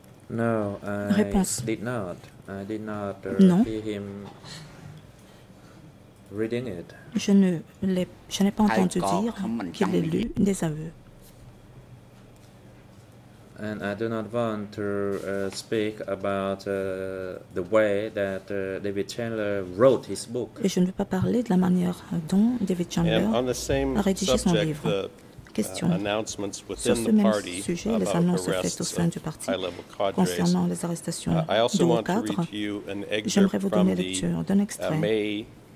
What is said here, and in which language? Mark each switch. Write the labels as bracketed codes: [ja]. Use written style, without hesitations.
[en] No, [fr] réponse. [en] I did not hear him reading it. [fr] Je n'ai pas entendu dire qu'il ait lu des aveux. [en] And I do not want to speak about the way that David Chandler wrote his book. [fr] Et je ne veux pas parler de la manière dont David Chandler a rédigé son livre. Question. Sur ce même sujet, les annonces faites au sein du parti concernant les arrestations de haut cadre, j'aimerais vous donner lecture d'un extrait.